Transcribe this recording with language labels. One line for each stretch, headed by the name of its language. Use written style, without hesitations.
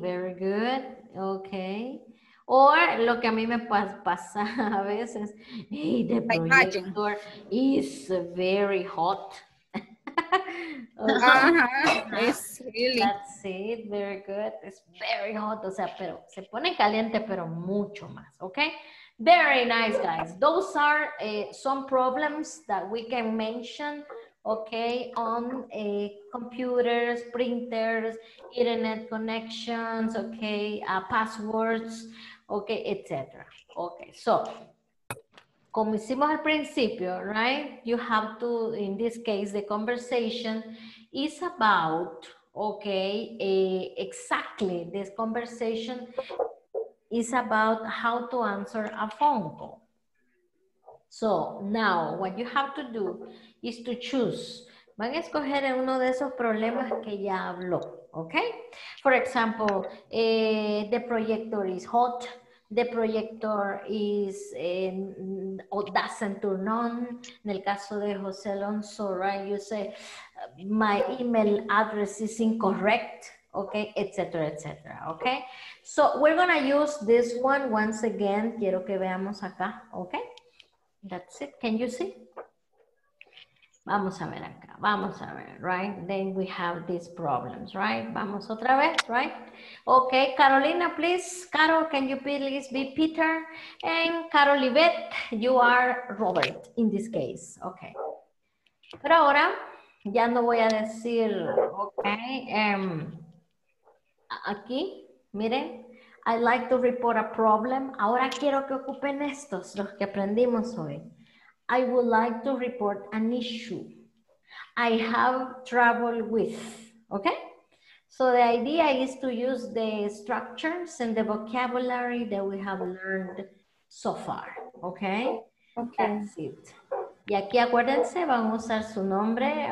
English: Very good, okay. Or
Spanish: lo que a mí me pasa a veces,
English: hey, the projector is very hot. It's really. That's it, very good. It's very hot.
Spanish: O sea, pero se pone caliente, pero mucho más, okay.
English: Very nice, guys. Those are some problems that we can mention, okay, on computers, printers, internet connections, okay, passwords, okay, etc. Okay, so,
Spanish: como hicimos al principio,
English: right, you have to, in this case, the conversation is about, okay, exactly this conversation is about how to answer a phone call. So now what you have to do is to choose.
Spanish: Van a escoger uno de esos problemas que ya habló, okay?
English: For example, the projector is hot, the projector is or doesn't turn on.
Spanish: En el caso de
English: José Alonso, right? You say, my email address is incorrect. Okay, etcétera, etcétera. Okay, so we're gonna use this one once again.
Spanish: Quiero que veamos acá.
English: Okay, that's it. Can you see?
Spanish: Vamos a ver acá. Vamos a ver,
English: right? Then we have these problems, right?
Spanish: Vamos otra vez,
English: right? Okay, Carolina, please. Carol, can you please be Peter? And Carolivet, you are Robert in this case.
Spanish: Okay, pero ahora ya no voy a decir, okay. Aquí, miren,
English: I'd like to report a problem.
Spanish: Ahora quiero que ocupen estos, los que aprendimos hoy.
English: I would like to report an issue. I have trouble with, okay? So the idea is to use the structures and the vocabulary that we have learned so far, okay? Okay. That's it.
Spanish: Y aquí acuérdense, van a usar su nombre.